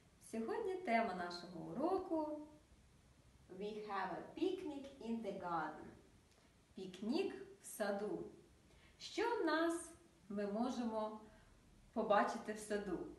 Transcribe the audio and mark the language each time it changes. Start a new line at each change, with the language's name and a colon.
Ukrainian: Сьогодні тема нашого уроку
English: We have a picnic in the garden.
Ukrainian: Пікнік в саду. Що в нас ми можемо побачити в саду?